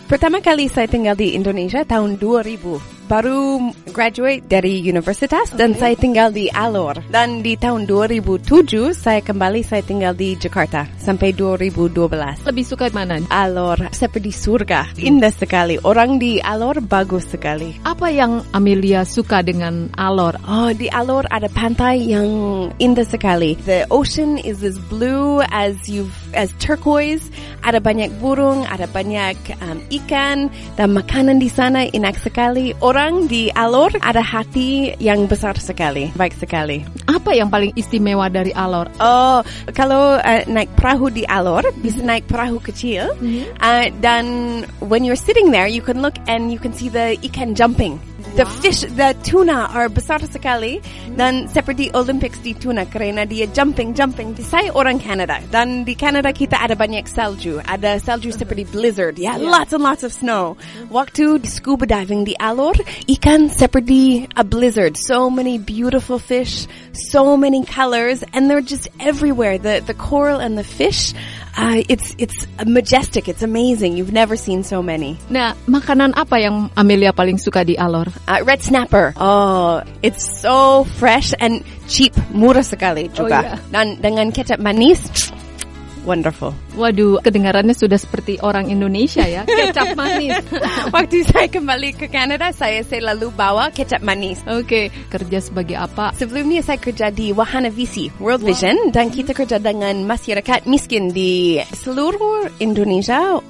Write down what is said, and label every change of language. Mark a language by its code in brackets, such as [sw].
[id] Pertama kali saya tinggal di Indonesia tahun 2000. Baru graduate dari universitas dan saya tinggal di Alor. Dan di tahun 2007 saya tinggal di Jakarta sampai 2012. Lebih suka mana? Alor, seperti surga. Indah sekali. Orang di Alor bagus sekali. Apa yang Amelia suka dengan Alor? Oh, di Alor ada pantai yang indah sekali. [en] The ocean is as blue as turquoise. [id] Ada banyak burung, ada banyak ikan, dan makanan di sana enak sekali. Orang di Alor ada hati yang besar sekali, baik sekali. Apa yang paling istimewa dari Alor? Oh, kalau naik perahu di Alor, bisa naik perahu kecil. [en] Dan when you're sitting there, you can look and you can see the ikan jumping. The fish, the tuna are [id] besar sekali. Dan seperti Olympics di tuna, karena dia jumping. Saya orang Canada, dan di Canada kita ada banyak salju. Ada salju seperti blizzard. [en] Yeah, yeah. Lots and lots of snow. [id] Waktu scuba diving di Alor, ikan seperti [en] a blizzard. So many beautiful fish, so many colors, and they're just everywhere. The coral and the fish, it's majestic. It's amazing. You've never seen so many. [id] Nah, makanan apa yang Amelia paling suka di Alor? [en] Red snapper. Oh, it's so fresh and cheap. [id] Murah sekali juga. [en] Oh, yeah. [id] Dan dengan kecap manis. Wonderful. Waduh, kedengarannya sudah seperti orang Indonesia ya. Kecap manis. Waktu saya kembali ke Kanada, saya selalu bawa kecap manis. Oke, kerja sebagai apa? Sebelumnya saya kerja di Wahana VC, World Vision. Wow. Dan kita kerja dengan masyarakat miskin di seluruh Indonesia.